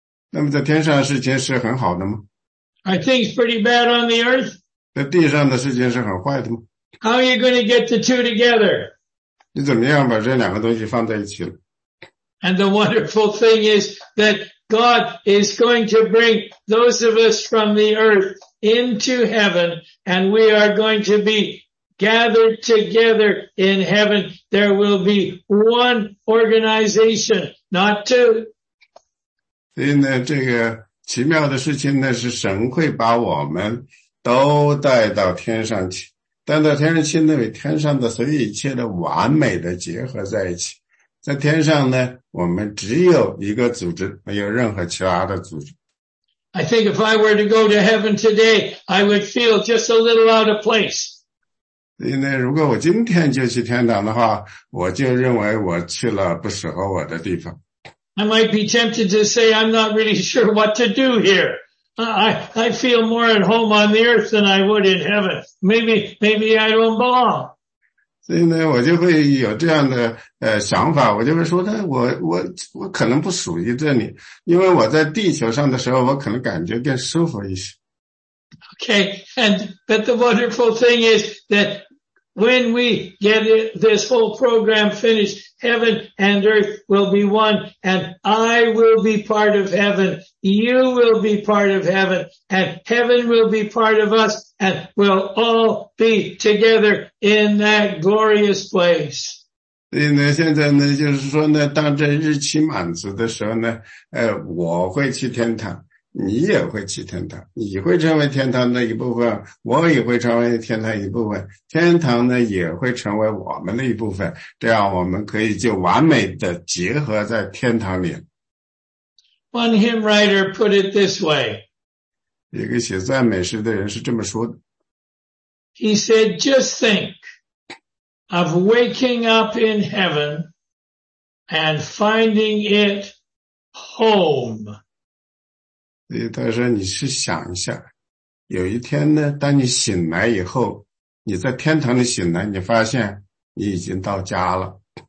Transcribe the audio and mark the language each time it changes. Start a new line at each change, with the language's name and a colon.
Chinese: 那么在天上的事情是很好的吗？
English: Are things pretty bad on the earth?
Chinese: 在地上的事情是很坏的吗？
English: How are you going to get the two together?
Chinese: 你怎么样把这两个东西放在一起了？
English: And the wonderful thing is that God is going to bring those of us from the earth into heaven and we are going to be gathered together in heaven. There will be one organization, not two.
Chinese: 所以呢这个奇妙的事情呢是神会把我们都带到天上去。带到天上去呢与天上的所有一切的完美的结合在一起。在天上呢我们只有一个组织没有任何其他的组织。
English: I think if I were to go to heaven today, I would feel just a little out of place.
Chinese: 所以呢如果我今天就去天堂的话我就认为我去了不适合我的地方。
English: I might be tempted to say I'm not really sure what to do here. I feel more at home on the earth than I would in heaven. Maybe I don't belong.
Chinese: 所以呢我就会有这样的想法我就会说我可能不属于这里因为我在地球上的时候我可能感觉更舒服一些。
English: Okay, but the wonderful thing is that when we get this whole program finished,Heaven and earth will be one, and I will be part of heaven, you will be part of heaven, and heaven will be part of us, and we'll all be together in that glorious place.
Chinese: 所以呢现在呢就是说呢当这日期满足的时候呢我会去天堂你也会去天堂你会成为天堂的一部分我也会成为天堂一部分天堂呢也会成为我们的一部分这样我们可以就完美的结合在天堂里。
English: One hymn writer put it this way.
Chinese: 一个写赞美诗的人是这么说的。
English: He said, just think of waking up in heaven and finding it home.
Chinese: 所以他说你是想一下有一天呢当你醒来以后你在天堂里醒来你发现你已经到家了。